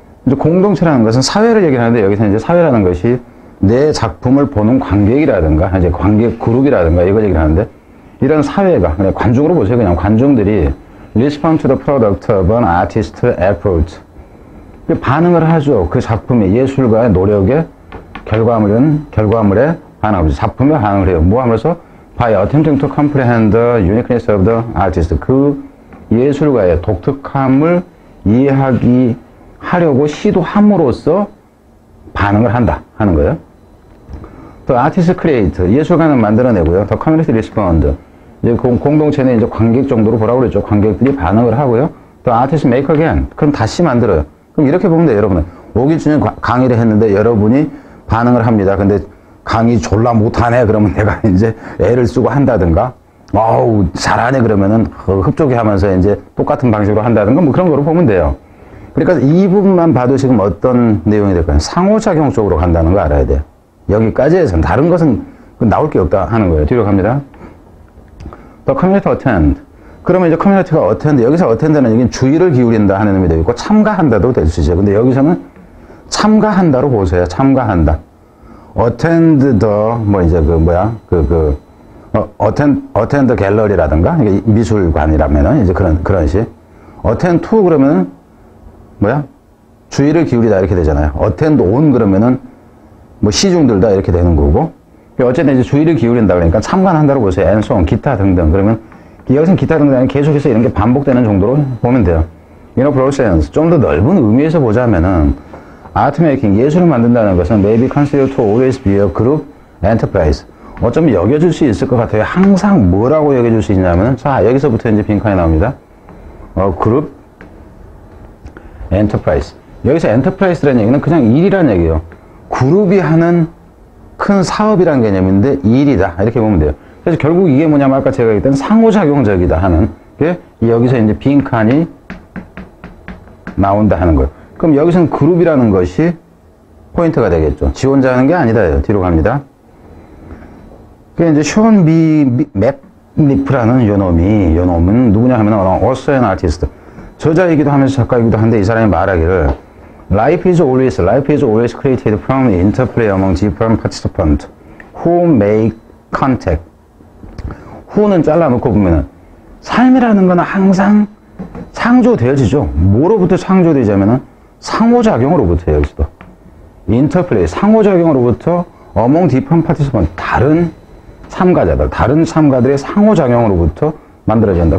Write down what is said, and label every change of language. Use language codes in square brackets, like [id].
[ko] 이제 공동체라는 것은 사회를 얘기하는데 여기서 이제 사회라는 것이 내 작품을 보는 관객이라든가 이제 관객 그룹이라든가 이걸 얘기하는데 이런 사회가 그냥 관중으로 보세요. 그냥 관중들이 [en] respond to the product of an artist's effort. [ko] 반응을 하죠. 그 작품이 예술가의 노력에 결과물에 반응하고 작품에 반응을 해요. 뭐 하면서 [en] by attempting to comprehend the uniqueness of the artist. [ko] 그 예술가의 독특함을 이해하기 하려고 시도함으로써 반응을 한다 하는 거예요. [en] The artist create, [ko] 예술가는 만들어내고요. [en] The community respond, [ko] 이제 공동체는 이제 관객 정도로 보라고 그랬죠. 관객들이 반응을 하고요. [en] The artist make again, [ko] 그럼 다시 만들어요. 그럼 이렇게 보면 돼요. 여러분 오기준이 강의를 했는데 여러분이 반응을 합니다. 근데 강의 졸라 못하네 그러면 내가 이제 애를 쓰고 한다든가 어우 잘하네 그러면은 흡족해 하면서 이제 똑같은 방식으로 한다든가 뭐 그런 거로 보면 돼요. 그러니까 이 부분만 봐도 지금 어떤 내용이 될까요? 상호작용 쪽으로 간다는 거 알아야 돼요. 여기까지에서는 다른 것은 나올 게 없다 하는 거예요. 뒤로 갑니다. [en] The community attend. [ko] 그러면 이제 커뮤니티가 attend. 여기서 attend는 여기는 주의를 기울인다 하는 의미도 있고 참가한다도 될 수 있어요. 근데 여기서는 참가한다로 보세요. 참가한다. attend the, 뭐 이제 그 뭐야, [en] attend the gallery [ko] 라든가 미술관이라면은 이제 그런 식. [en] attend to [ko] 그러면은 뭐야? 주의를 기울이다 이렇게 되잖아요. [en] attend on [ko] 그러면은 뭐 시중들다 이렇게 되는 거고 어쨌든 이제 주의를 기울인다 그러니까 참관한다고 보세요. [en] and so on, [ko] 기타 등등 그러면 여기서는 기타 등등 계속해서 이런 게 반복되는 정도로 보면 돼요. [en] in a broad sense, [ko] 좀 더 넓은 의미에서 보자면은 [en] art making, [ko] 예술을 만든다는 것은 [en] maybe considered to always be a group enterprise. [ko] 어쩌면 여겨줄 수 있을 것 같아요. 항상 뭐라고 여겨줄 수 있냐면 자 여기서부터 이제 빈칸이 나옵니다. [en] group enterprise. [ko] 여기서 enterprise라는 얘기는 그냥 일이라는 얘기예요. 그룹이 하는 큰 사업이라는 개념인데 일이다. 이렇게 보면 돼요. 그래서 결국 이게 뭐냐면 아까 제가 얘기했던 상호작용적이다 하는 게 여기서 이제 빈칸이 나온다 하는 거예요. 그럼 여기서는 그룹이라는 것이 포인트가 되겠죠. 지원자 하는 게 아니다. 뒤로 갑니다. 그게 이제 숀 미 맥니프라는 요 놈은 누구냐 하면 어서 앤 아티스트. 저자이기도 하면서 작가이기도 한데 이 사람이 말하기를 [en] Life is always created from interplay among different participants who make contact. [ko] Who는 잘라놓고 보면은 삶이라는 건 항상 창조되어지죠. 뭐로부터 창조되자면은 상호작용으로부터 여기서도 interplay 상호작용으로부터 [en] among different participants [ko] 다른 참가들의 상호작용으로부터 만들어진다.